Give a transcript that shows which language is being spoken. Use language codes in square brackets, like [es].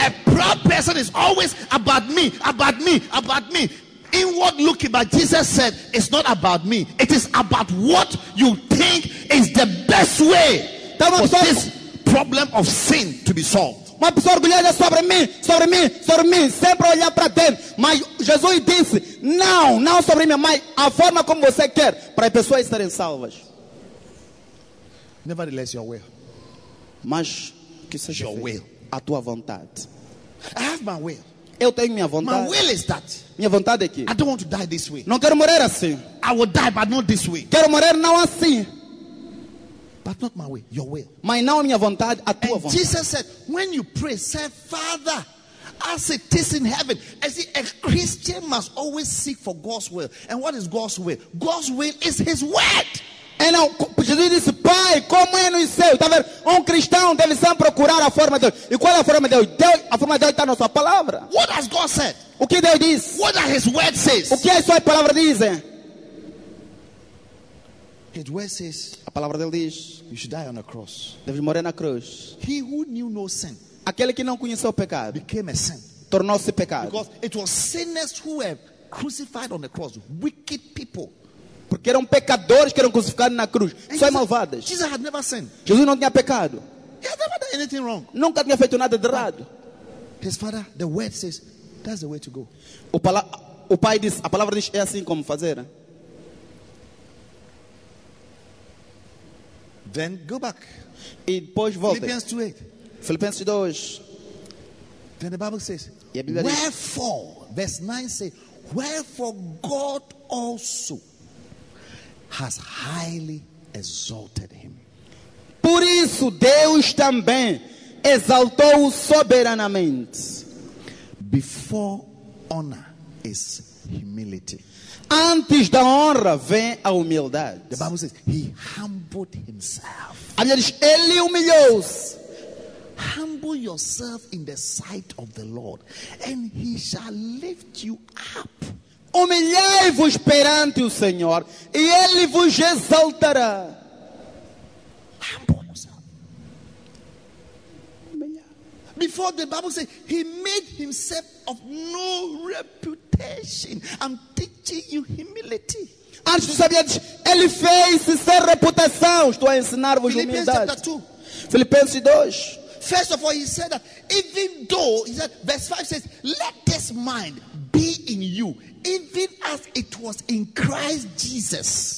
[en] See, a proud person is always about me, about me, about me. Inward looking, but Jesus said, it's not about me. It is about what you think is the best way for this problem of sin to be solved. [pt] Uma pessoa orgulhosa sobre mim, sobre mim, sobre mim, sempre olhar para dentro. Mas Jesus disse, não sobre mim, mas a forma como você quer para as pessoas estarem salvas. [en] Nevertheless, your will. [pt] Mas que seja [en] your will. [pt] A tua vontade. [en] I have my will. [pt] Eu tenho minha vontade. [en] My will is that. [pt] Minha vontade é que. [en] I don't want to die this way. [pt] Não quero morrer assim. [en] I will die, but not this way. [pt] Quero morrer não assim. [en] But not my will, your will. [pt] Mas não minha vontade, a tua [en] and [pt] vontade. [en] Jesus said, when you pray, say, Father, as it is in heaven. As a Christian must always seek for God's will. And what is God's will? God's will is his word. And now, [pt] Jesus disse, Pai, como é no céu? Tá vendo? Cristão deve sempre procurar a forma de Deus. E qual é a forma de Deus? A forma de Deus está na sua palavra. [en] What has God said? [pt] O que Deus diz? [en] What are his word says? [pt] O que as suas palavras dizem? [en] His word says, [pt] a palavra dele diz, [en] you should die on a cross. [pt] Deve morrer na cruz. [en] He who knew no sin, [pt] aquele que não conheceu o pecado, [en] became a sin, [pt] tornou-se pecado. [en] Because it was sinners who were crucified on the cross, wicked people. [pt] Porque eram pecadores que eram crucificados na cruz, [en] and [pt] só malvadas. [en] Jesus had never sinned. [pt] Jesus não tinha pecado. [en] He had never done anything wrong. [pt] Nunca tinha feito nada de errado. [en] His father, the word says, that's the way to go. [pt] O pai diz, a palavra diz, é assim como fazer. [en] Then go back. [pt] E depois volta. [en] Philippians 2:8. [pt] Filipenses 2. [en] Then the Bible says, [pt] e a Bíblia diz, [en] wherefore, verse 9 says, wherefore God also has highly exalted him. [pt] Por isso Deus também exaltou-o soberanamente. [en] Before honor is humility. [pt] Antes da honra vem a humildade. [en] The Bible says he humbled himself. [pt] A Bíblia diz, ele humilhou-se. [en] Humble yourself in the sight of the Lord, and he shall lift you up. [pt] Humilhai-vos perante o Senhor, e ele vos exaltará. [en] Humble yourself. Before the Bible says he made himself of no reputation. I'm teaching you humility. [pt] Antes tu sabias, ele fez sem reputação. Estou a ensinar-vos humildade. Filipenses 2. [en] First of all, he said that even though, he said, verse 5 says, let this mind be in you, even as it was in Christ Jesus.